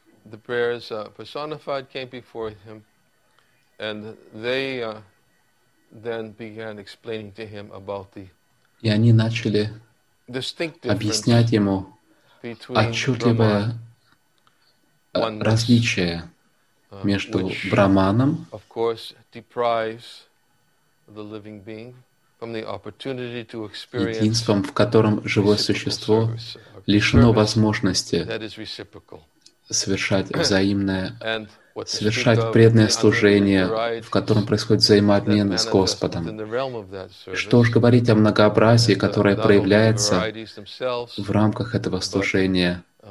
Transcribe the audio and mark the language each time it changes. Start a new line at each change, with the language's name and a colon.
English: The prayers personified came before him, and they then began explaining to him about the.
Russian: И они начали объяснять ему отчетливое различие между Браманом,
English: of course, deprives the living being from the opportunity to experience.
Russian: Единством, в котором живое существо лишено возможности совершать взаимное, совершать преданное служение, в котором происходит взаимообмен с Господом. Что уж говорить о многообразии, которое проявляется в рамках этого служения.